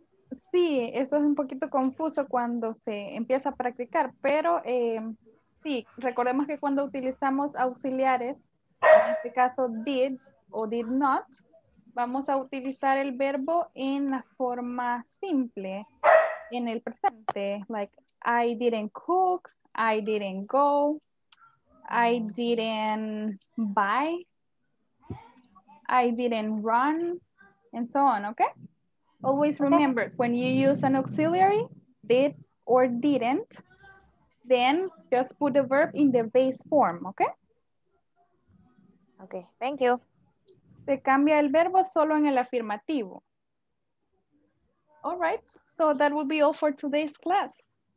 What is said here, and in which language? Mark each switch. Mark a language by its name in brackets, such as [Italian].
[Spanish] Sí, eso es un poquito confuso cuando se empieza a practicar, pero sí, recordemos que cuando utilizamos auxiliares, en este caso did o did not, vamos a utilizar el verbo en la forma simple, en el presente, [English] like I didn't cook, I didn't go, I didn't buy, I didn't run, and so on, [Spanish] okay? [English] Always remember, when you use an auxiliary, did or didn't, then just put the verb in the base form, okay? Okay, thank you. [Spanish] Se cambia el verbo solo en el afirmativo. [English] All right, so that will be all for today's class.